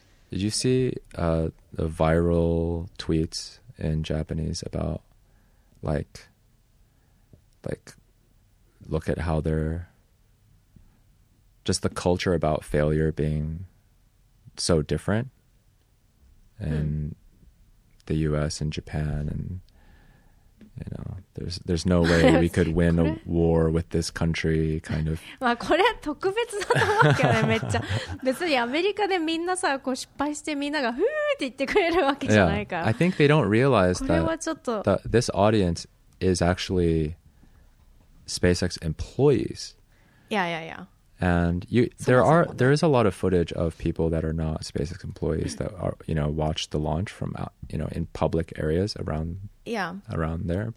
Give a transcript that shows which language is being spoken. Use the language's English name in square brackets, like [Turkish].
[English] Did you see the viral tweets in Japanese about like look at how they're just the culture about failure being so different and the U.S. and Japan, and you know, there's no way we could win a war with this country, kind of. [Japanese] まあこれは特別だと思うけどね、めっちゃ。別にアメリカでみんなさ、こう失敗してみんながふーって言ってくれるわけじゃないから。 [English] Yeah, I think they don't realize that this audience is actually SpaceX employees. Yeah, yeah, yeah. And there is a lot of footage of people that are not SpaceX employees that are, you know, watched the launch from, you know, in public areas around there.